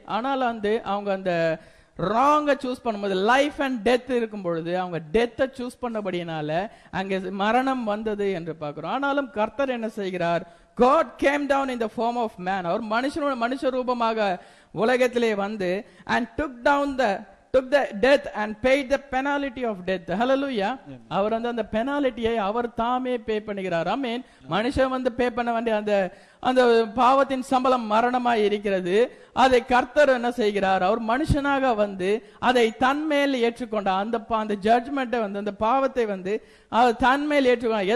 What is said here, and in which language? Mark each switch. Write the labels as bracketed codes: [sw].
[ta] ஆனால் வந்து அவங்க அந்த ராங்கை சூஸ் பண்ணும்போது லைஃப் அண்ட் டெத் இருக்கும் பொழுது அவங்க டெத்தை சூஸ் பண்ணபடியினால அங்கே மரணம் வந்தது என்று பார்க்கிறோம். ஆனாலும் கர்த்தர் என்ன செய்கிறார், [en] God came down in the form of man. [ta] அவர் மனுஷரூபமாக உலகத்திலே வந்து [en] And took down the took the death and paid the penalty of death. Hallelujah. [ta] அவர் வந்து அந்த பெனாலிட்டியை அவர் தாமே பே பண்ணுகிறார். ஆமென். மனுஷன் வந்து பே பண்ண வேண்டிய அந்த அந்த பாவத்தின் சம்பளம் மரணமாய் இருக்கிறது. அதை கர்த்தர் என்ன செய்கிறார், அவர் மனுஷனாக வந்து அதை தன்மேல் ஏற்றுக்கொண்டார். அந்த அந்த ஜட்ஜ்மெண்ட்டை வந்து அந்த பாவத்தை வந்து அவர் தன்மேல் ஏற்றுக்கொண்டார்.